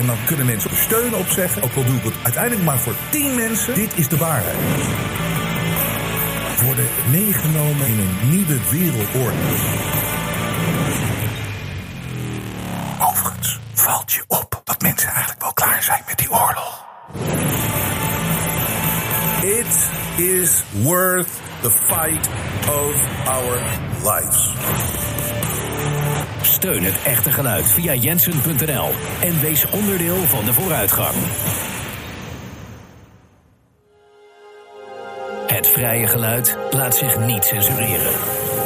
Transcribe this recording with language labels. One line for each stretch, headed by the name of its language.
Dutch: En dan kunnen mensen de steun opzeggen. Ook al doe ik het uiteindelijk maar voor 10 mensen. Dit is de waarheid. Worden meegenomen in een nieuwe wereldorde. Overigens valt je op dat mensen eigenlijk wel klaar zijn met die oorlog.
English: It is worth the fight of our lives.
Dutch: Steun het echte geluid via Jensen.nl en wees onderdeel van de vooruitgang. Het vrije geluid laat zich niet censureren.